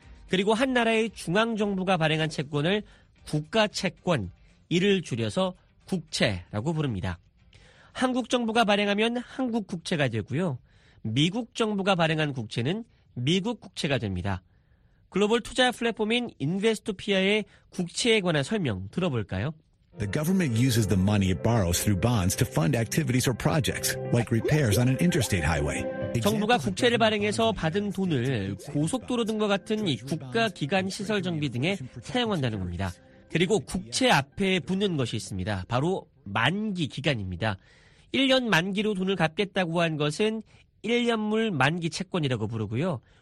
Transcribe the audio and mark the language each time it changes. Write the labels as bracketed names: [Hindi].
[Korean] 그리고 한 나라의 중앙정부가 발행한 채권을 국가채권, 이를 줄여서 국채라고 부릅니다. 한국 정부가 발행하면 한국 국채가 되고요. 미국 정부가 발행한 국채는 미국 국채가 됩니다. 글로벌 투자 플랫폼인 인베스토피아의 국채에 관한 설명 들어볼까요? [English] The government uses the money it borrows through bonds to fund activities or projects, like repairs on an interstate highway. [Korean] 정부가 국채를 발행해서 받은 돈을 고속도로 등과 같은 이 국가 기관 시설 정비 등에 사용한다는 겁니다. 그리고 국채 앞에 붙는 것이 있습니다. 바로 만기 기간입니다. 1년 만기로 돈을 갚겠다고 한 것은 1년물 만기 채권이라고 부르고요.